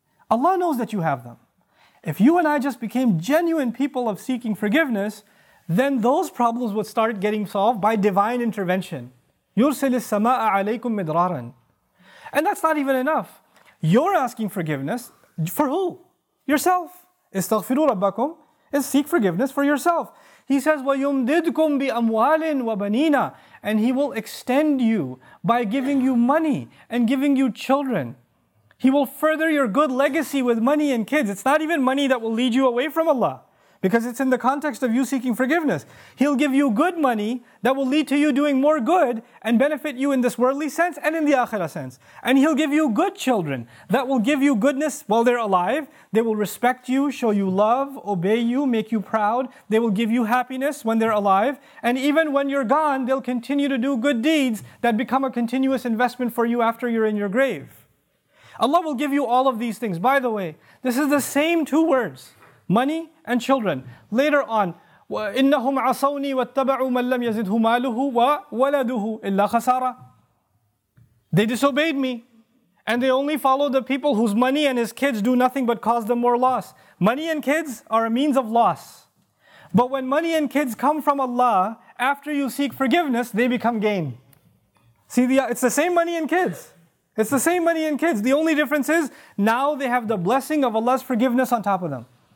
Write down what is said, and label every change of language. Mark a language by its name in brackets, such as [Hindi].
[English] Allah knows that you have them. If you and I just became genuine people of seeking forgiveness, then those problems would start getting solved by divine intervention. [Arabic] يُرْسِلِ السَّمَاءَ عَلَيْكُمْ مِدْرَارًا. [English] And that's not even enough. You're asking forgiveness for who? Yourself. [Arabic] استغفروا ربكم [English] is seek forgiveness for yourself. He says, [Arabic] وَيُمْدِدْكُمْ بِأَمْوَالٍ وَبَنِينَ. [English] And he will extend you by giving you money and giving you children. He will further your good legacy with money and kids. It's not even money that will lead you away from Allah, because it's in the context of you seeking forgiveness. He'll give you good money that will lead to you doing more good and benefit you in this worldly sense and in the akhirah sense. And he'll give you good children that will give you goodness while they're alive. They will respect you, show you love, obey you, make you proud. They will give you happiness when they're alive. And even when you're gone, they'll continue to do good deeds that become a continuous investment for you after you're in your grave. Allah will give you all of these things. By the way, this is the same two words. Money and children. Later on, [Arabic] إِنَّهُمْ عَصَوْنِي وَاتَّبَعُوا مَنْ لَمْ يَزِدْهُ مَالُهُ وَوَلَدُهُ إِلَّا خَسَارًا. [English] They disobeyed me. And they only follow the people whose money and his kids do nothing but cause them more loss. Money and kids are a means of loss. But when money and kids come from Allah, after you seek forgiveness, they become gain. See, it's the same money and kids. It's the same money and kids. The only difference is, now they have the blessing of Allah's forgiveness on top of them.